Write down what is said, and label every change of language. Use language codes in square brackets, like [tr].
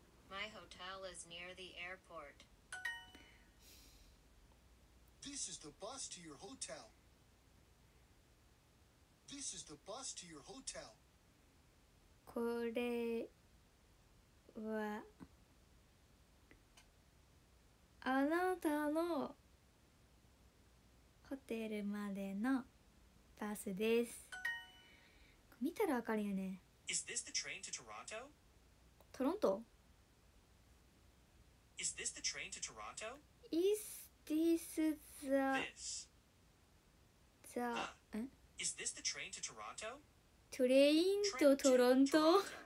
[en] My hotel is near the airport. This is the bus to your hotel. This is the bus to your hotel. [ja] これはあなたのホテルまでのバスです。見たらわかるよね。 [en] Is this the train to Toronto? [ja] トロント? [en] Is this the train to Toronto? Is this the this. Is this the train to Toronto? Train to Toronto?